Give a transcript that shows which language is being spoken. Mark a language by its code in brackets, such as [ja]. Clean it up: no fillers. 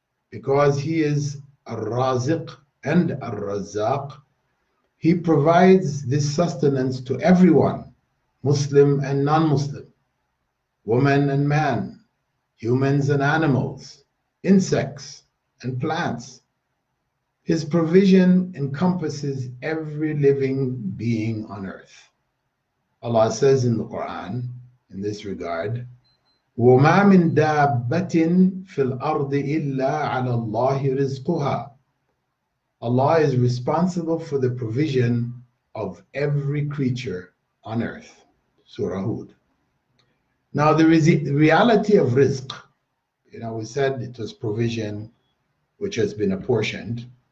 [en] Because he is Ar-Raziq and Ar-Razzaq, he provides this sustenance to everyone, Muslim and non-Muslim, woman and man, humans and animals, insects and plants. His provision encompasses every living being on earth. Allah says in the Quran, in this regard, [ar] وَمَا مِن دَابَّةٍ فِي الْأَرْضِ إِلَّا عَلَى اللَّهِ رِزْقُهَا. [en] Allah is responsible for the provision of every creature on earth. Surah Hud. Now there is the reality of rizq. You know, we said it was provision which has been apportioned.